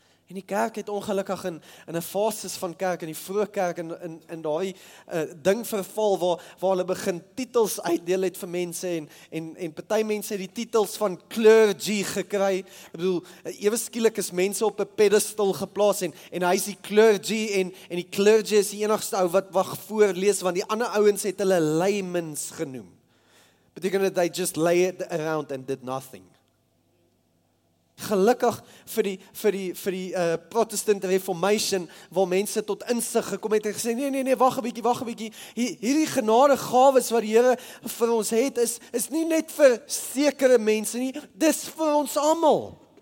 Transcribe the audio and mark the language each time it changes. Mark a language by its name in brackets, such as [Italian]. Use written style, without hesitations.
[Afrikaans] En die kerk het ongelukkig in 'n fases van kerk, in die vroeë kerk, in daai ding verval, waar hulle begin titels uitdeel het vir mense, en party mense het die titels van clergy gekry. Ek bedoel, ewe skielik is mense op 'n pedestal geplaas, en hy is die clergy, en die clergy is die enigste ou wat wag voorlees, want die ander ouens het hulle laymans genoem. Beteken dat [English] they just lay it around and did nothing. [Afrikaans] Gelukkig vir die Protestant Reformation, waar mense tot insig gekom het en gesê, nee, wag 'n bietjie. Hierdie genade gawes wat die Here vir ons het, is nie net vir sekere mense nie, dis vir ons almal.